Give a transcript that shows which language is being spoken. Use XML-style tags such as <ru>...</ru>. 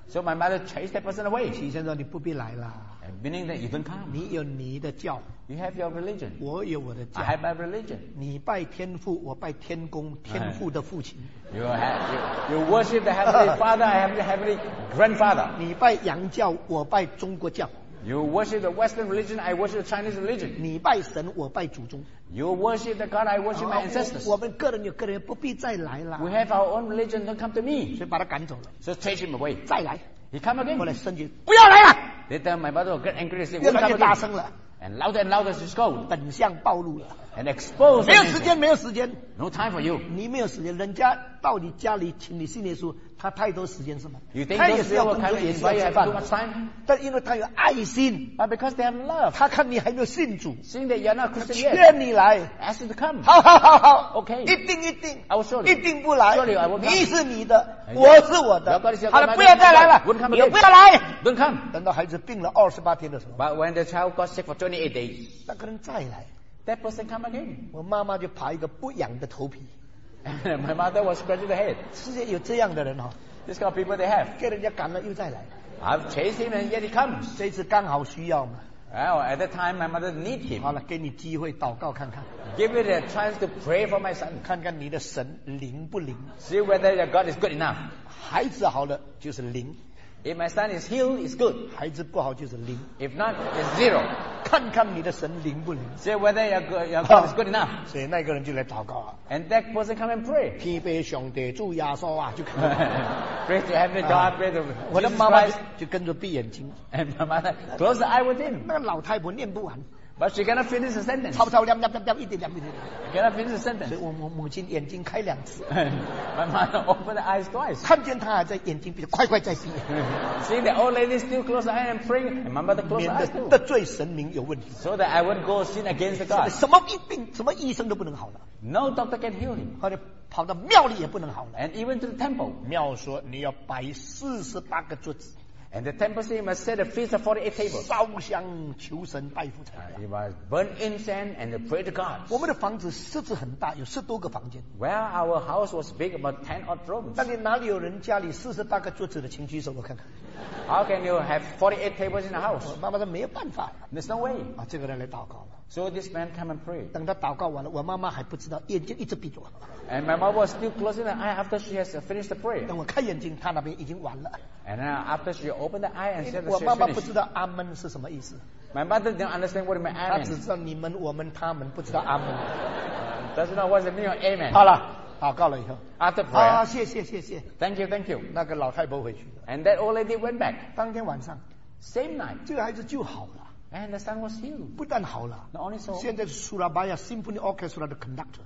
<en>So my mother chased that person away.</en> <zh>起先说你不必来了。</zh> <en>Meaning that you don't come.</en> <zh>你有你的教。</zh> <en>You have your religion.</en> <zh>我有我的教。</zh> <en>I have my religion.</en> <zh>你拜天父，我拜天公，天父的父亲。</zh> <en>You worship the heavenly father. I have the heavenly grandfather.</en> <zh>你拜洋教，我拜中国教。</zh> <en>You worship the Western religion, I worship the Chinese religion.</en> <zh>你拜神, 我拜祖宗。</zh> <en>You worship the God, I worship my ancestors.</en> <zh>我们个人有个人, 不必再来了。</zh> <en>We have our own religion, don't come to me.</en> <zh>所以把他赶走了。</zh> <en>So chase him away.</en> <zh>再来。</zh> <en>He come again.</en> <zh>后来生气, 不要来了!</zh> <en>Later, my mother will get angry and say, we'll come again. And louder and louder she scold.</en> <zh>本相暴露了。</zh> <en>And expose.</en> <zh>没有时间, 没有时间。</zh> <en>No time for you.</en> <zh>你没有时间, 人家到你家里请你信耶稣。他太多时间是吗?</zh> <en>You think those people come and invite you have too much time?</en> <zh>但因为他有爱心,</zh> <en>but because they have love.</en> <zh>他看你还没有信主,</zh> <en>seeing that you're not Christian yet.</en> <zh>劝你来,</zh> <en>ask you to come.</en> <zh>好好好好,</zh> <en>okay.</en> <zh>一定。</zh> <en>I will surely.</en> <zh>一定不来,</zh> <en>surely I will come.</en> <zh>你是你的, 我是我的。好了, 不要再来了, 你不要来,</zh> <en>don't come.</en> <zh>等到孩子病了28天的时候,</zh> <en>but when the child got sick for 28 days,</en> <zh>那个人再来,</zh> <en>that person come again.</en> <zh>我妈妈就爬一个不痒的头皮。</zh> <en>My mother was scratching the head.</en> <zh>世界有这样的人哦。</zh> <en>This kind of people they have.</en> <zh>给人家赶了又再来。</zh> <en>I've chased him and yet he comes.</en> <zh>这次刚好需要嘛。</zh> <en>Well, at that time my mother need him.</en> <zh>好了，给你机会祷告看看。</zh> <en>Give it a chance to pray for my son.</en> <zh>看看你的神灵不灵。</zh> <en>See whether your God is good enough.</en> <zh>孩子好了就是灵。</zh> <en>If my son is healed, it's good.</en> <zh>孩子不好就是零。</zh> <en>If not, it's zero.</en> <zh>看看你的神灵不灵。</zh> <en>See whether your God is good enough.</en> <zh>所以那个人就来祷告。</zh> <en>And that person come and pray.</en> <zh>祈拜上帝，主耶稣啊，就看。</zh> <en>Pray to heaven, God, pray to Jesus Christ.</en> <zh>我的妈妈就跟着闭眼睛。</zh> <en>And my mother close the eye with him.</en> <zh>那个老太婆念不完。</zh> <en>But she cannot finish the sentence.</en> <zh>草草亮亮亮亮，一点亮一点亮。</zh> <en>Cannot finish the sentence.</en> <zh>所以我母亲眼睛开两次。</zh> <en>My mother opened the eyes twice.</en> <zh>看见她还在眼睛闭，快快再闭。</zh> <en>See the old lady still close the eye and praying. And my mother close the eyes too.</en> <zh>免得得罪神明有问题。</zh> <en>So that I won't go sin against the God.</en> <zh>什么一病，什么医生都不能好了。</zh> <en>No doctor can heal him.</en> <zh>或者跑到庙里也不能好了。</zh> <en>And even to the temple.</en> <zh>庙说你要摆48个桌子。</zh> <en>And the temple say you must set a feast of 48 tables.</en> <zh>烧香求神拜佛成。</zh> <en>You must burn incense and pray to God.</en> <zh>我们的房子室子很大, 有10多个房间。</zh> <en>Well, our house was big, about 10 odd rooms.</en> <zh>那你哪里有人家里48个桌子的，请举手我看看。</zh> <en>How can you have 48 tables in a house?</en> <zh>我妈妈说没有办法。</zh> <en>There's no way.</en> <zh>啊, 这个人来祷告了。</zh> <en>So this man came and prayed.</en> <zh>等他祷告完了, 我妈妈还不知道, 眼睛一直闭着。</zh> <en>And my mom was still closing the eye after she has finished the prayer.</en> <zh>等我开眼睛, 她那边已经完了。</zh> <en>And then after she opened the eye and said,</en> <zh>我妈妈不知道阿们是什么意思。</zh> <en>My mother didn't understand what it meant.</en> <zh>她只知道你们, 我们, 他们, 不知道阿们。</zh> <en>Does not want to mean amen.</en> <zh>好了，祷告了以后。</zh> <en>After prayer.</en> <zh>啊，谢谢谢谢。</zh> <en>Thank you.</en> <zh>那个老太婆回去。</zh> <en>And that old lady went back.</en> <zh>当天晚上。</zh> <en>Same night.</en> <zh>这个孩子就好了。</zh> <en>And the son was healed.</en> <zh>不但好了。</zh> <en>Not only so.</en> <zh>现在是 Surabaya Symphony Orchestra 的 conductor.</zh>